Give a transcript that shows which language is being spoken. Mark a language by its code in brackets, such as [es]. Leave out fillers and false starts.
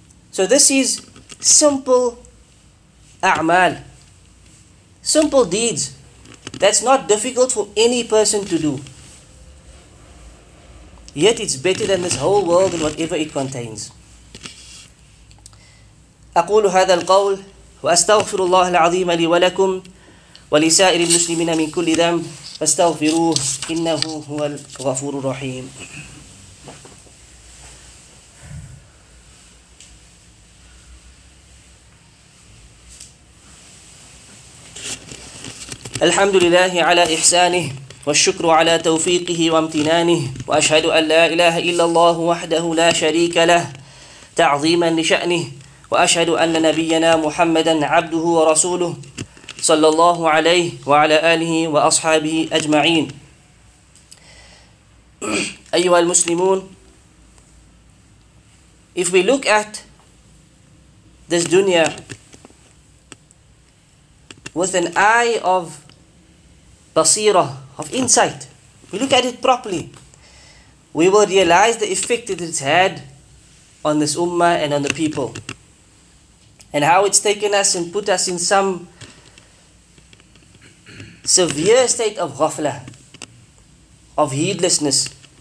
[en] So this is simple a'mal, simple deeds. That's not difficult for any person to do. Yet it's better than this whole world and whatever it contains. [ar] أقول هذا القول وأستغفر الله العظيم لي ولكم ولسائر المسلمين من كل ذنب فاستغفروه إنه هو الغفور الرحيم. الحمد لله على إحسانه والشكر على توفيقه وامتنانه وأشهد أن لا إله إلا الله وحده لا شريك له تعظيما لشأنه وأشهد أن نبينا محمدا عبده ورسوله صلى الله عليه وعلى آله وأصحابه أجمعين. أيها المسلمون, [en] if we look at this dunya with an eye of basira, of insight, we look at it properly, we will realize the effect that it's had on this ummah and on the people, and how it's taken us and put us in some severe state of ghafla, of heedlessness.